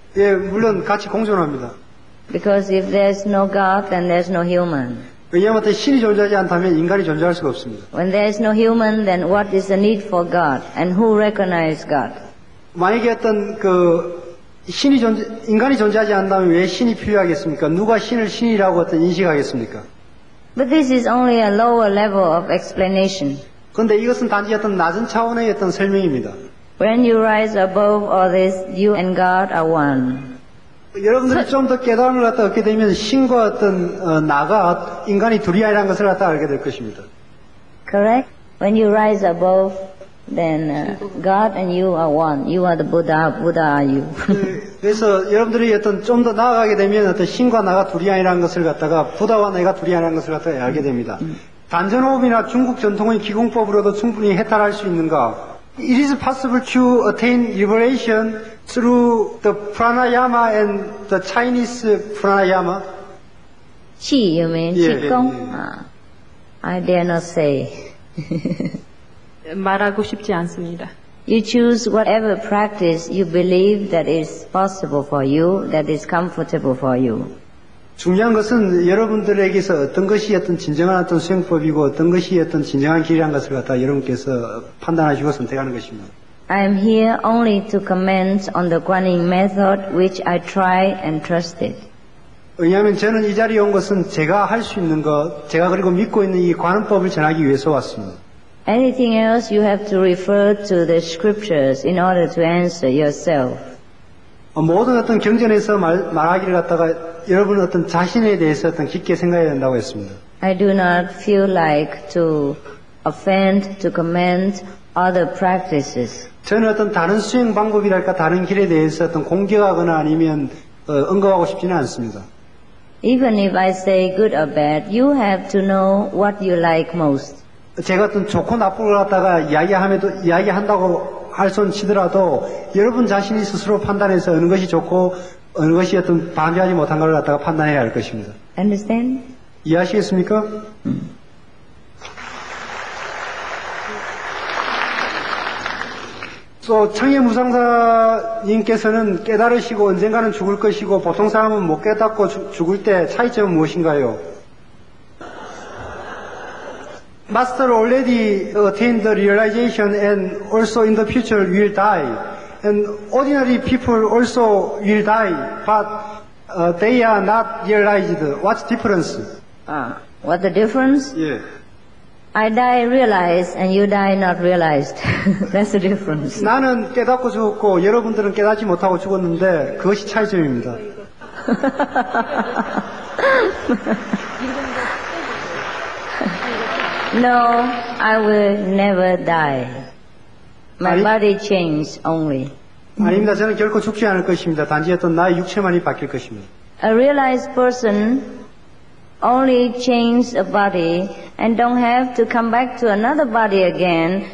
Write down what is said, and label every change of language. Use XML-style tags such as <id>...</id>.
<ko>예, 물론 같이 공존합니다.</ko> <en>Because if there's no God, then there's no human.</en> <ko>왜냐하면 신이 존재하지 않다면 인간이 존재할 수가 없습니다.</ko> <en>When there's no human, then what is the need for God? And who recognizes God?</en> <ko>만약에 어떤 그 인간이 존재하지 않다면 왜 신이 필요하겠습니까? 누가 신을 신이라고 어떤 인식하겠습니까?</ko> <en>But this is only a lower level of explanation.</en> <ko>그런데 이것은 단지 어떤 낮은 차원의 어떤 설명입니다.</ko> <en>When you rise above all this, you and God are one.</en> <ko>여러분들이 좀 더 깨달음을 갖다 얻게 되면 신과 어떤 나가 인간이 둘이 아니라는 것을 갖다 알게 될 것입니다.</ko> <en>Correct. When you rise above, then God and you are one. You are the Buddha. Buddha are you.</en> <ko>그래서 여러분들이 어떤 좀 더 나아가게 되면 어떤 신과 나가 둘이 아니라는 것을 갖다가 부다와 내가 둘이 아니라는 것을 갖다 알게 됩니다. 단전호흡이나 중국 전통의 기공법으로도 충분히 해탈할 수 있는가?</ko> <en>It is possible to attain liberation through the pranayama and the Chinese pranayama. Qi, you mean? Qi Gong? I dare not say.</en> <ko>말하고 싶지 않습니다.</ko> <en>You choose whatever practice you believe that is possible for you, that is comfortable for you.</en> <ko>중요한 것은 여러분들에게서 어떤 것이 어떤 진정한 어떤 수행법이고 어떤 것이 어떤 진정한 길이란 것을 갖다 여러분께서 판단하시고 선택하는 것입니다.</ko> <en>I am here only to comment on the Guanyin method which I try and trusted.</en> <ko>왜냐하면 저는 이 자리에 온 것은 제가 할 수 있는 것, 제가 그리고 믿고 있는 이 관음법을 전하기 위해서 왔습니다.</ko> <en>Anything else you have to refer to the scriptures in order to answer yourself.</en> <ko>모든 어떤 경전에서 말하기를 갖다가 여러분은 어떤 자신에 대해서 어떤 깊게 생각해야 된다고 했습니다.</ko> <en>I do not feel like to offend, to commend other practices.</en> <ko>저는 어떤 다른 수행 방법이랄까 다른 길에 대해서 어떤 공격하거나 아니면 언급하고 싶지는 않습니다.</ko> <en>Even if I say good or bad, you have to know what you like most.</en> <ko>제가 어떤 좋고 나쁘고 갖다가 이야기한다고 할 손 치더라도 여러분 자신이 스스로 판단해서 어느 것이 좋고 어느 것이 어떤 반대하지 못한 것을 갖다가 판단해야 할 것입니다.</ko> <en>Understand?</en> <ko>이해하시겠습니까? 또 창의 무상사님께서는 깨달으시고 언젠가는 죽을 것이고 보통 사람은 못 깨닫고 죽을 때 차이점은 무엇인가요?</ko> <en>Master already attained the realization and also in the future will die. And ordinary people also will die, but they are not realized. What's difference? What the difference? Yeah. I die realized and you die not realized. That's the difference.</en> <ko>나는 깨닫고 죽었고 여러분들은 깨닫지 못하고 죽었는데 그것이 차이점입니다.</ko> <en>No, I will never die. My</en> <ko>아니,</ko> <en>body changes only.</en> <ko>아닙니다. 저는 결코 죽지 않을 것입니다. 단지 어떤 나의 육체만이 바뀔 것입니다.</ko> <en>A realized person only changes a body and don't have to come back to another body again.</en>